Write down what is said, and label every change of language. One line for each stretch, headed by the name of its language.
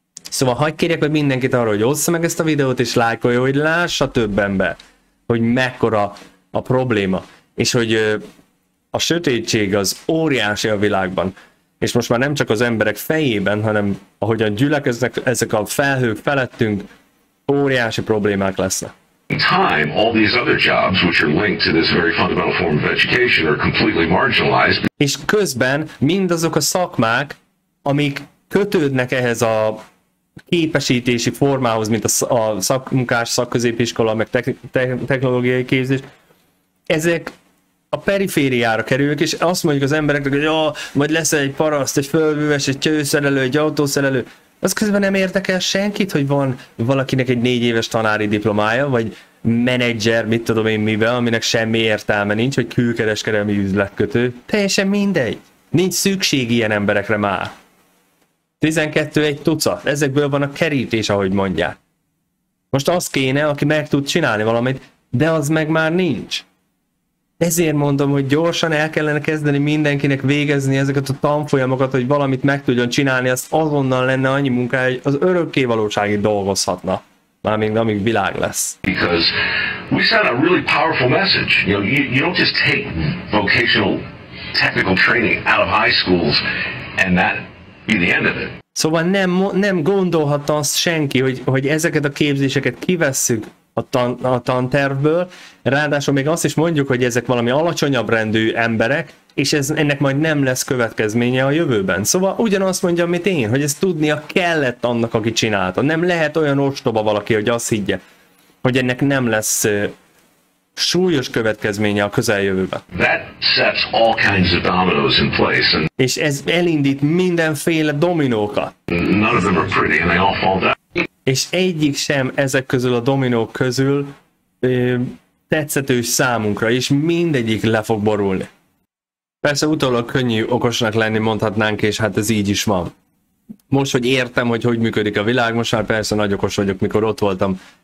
Hungarian: Szóval hagyd kérjek meg mindenkit arra, hogy ossza meg ezt a videót, és lájkolja, hogy lássa több ember, hogy mekkora a probléma, és hogy a sötétség az óriási a világban. És most már nem csak az emberek fejében, hanem ahogyan gyülekeznek ezek a felhők felettünk, óriási problémák lesznek.
English: Time, all these other jobs, which are linked to this very fundamental form of education, are completely marginalized.
Hungarian: És közben mindazok a szakmák, amik kötődnek ehhez a képesítési formához, mint a szakmunkás, szakközépiskola, meg technológiai képzés, ezek a perifériára kerülök, és azt mondjuk az embereknek, hogy majd lesz egy paraszt, egy fölbűves, egy csőszerelő, egy autószerelő. Az közben nem érdekel senkit, hogy van valakinek egy 4 éves tanári diplomája, vagy menedzser, mit tudom én mivel, aminek semmi értelme nincs, vagy külkereskedelmi üzletkötő. Teljesen mindegy. Nincs szükség ilyen emberekre már. 12 egy tucat. Ezekből van a kerítés, ahogy mondják. Most az kéne, aki meg tud csinálni valamit, de az meg már nincs. Ezért mondom, hogy gyorsan el kellene kezdeni mindenkinek végezni ezeket a tanfolyamokat, hogy valamit meg tudjon csinálni, azt azonnal lenne annyi munkája, hogy az örökké valóságig dolgozhatna. Mármint amíg világ lesz.
English: Because we sent a really powerful message. You know, you don't just take vocational technical training out of high schools and that be the end of it.
Hungarian: Szóval nem gondolhatta azt senki, hogy ezeket a képzéseket kivesszük a tantervből, ráadásul még azt is mondjuk, hogy ezek valami alacsonyabb rendű emberek, és ennek majd nem lesz következménye a jövőben. Szóval ugyanazt mondja, amit én, hogy ezt tudnia kellett annak, aki csinálta. Nem lehet olyan ostoba valaki, hogy azt higgye, hogy ennek nem lesz súlyos következménye a közeljövőben.
English: That sets all kinds of dominoes in place. And
Hungarian: és ez elindít mindenféle dominókat.
English: None of them are pretty, and they all fall down.
Hungarian: És egyik sem ezek közül a dominók közül tetszetős számunkra, és mindegyik le fog borulni. Persze utólag könnyű okosnak lenni, mondhatnánk, és hát ez így is van. Most, hogy értem, hogy működik a világ, most már persze nagy okos vagyok, mikor ott voltam.